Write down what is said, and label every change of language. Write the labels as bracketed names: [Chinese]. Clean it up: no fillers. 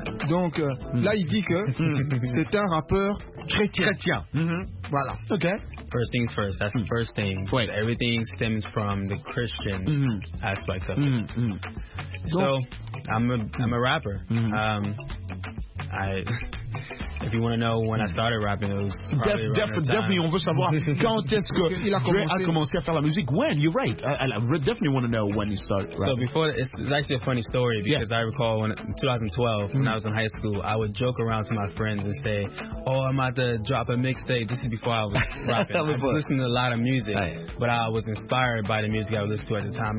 [French] Donc là il dit que c'est un rappeur chrétien. Mm-hmm. Voilà. [English] Okay. First things first. That's the first thing. Wait. Everything stems from the Christian aspect of it. Mm-hmm. So I'm a rapper. Mm-hmm. If you want to know when I started rapping, it was definitely [French] on veut savoir quand est-ce que il a commencé à faire la musique. [English] When? You're right. I definitely want to know when you started rapping. So before, it's actually a funny story because I recall when in 2012 when I was in high school, I would joke around to my friends and say, oh, I'm about to drop a mixtape. This is before I was rapping. I was listening to a lot of music, but I was inspired by the music I was listening to at the time.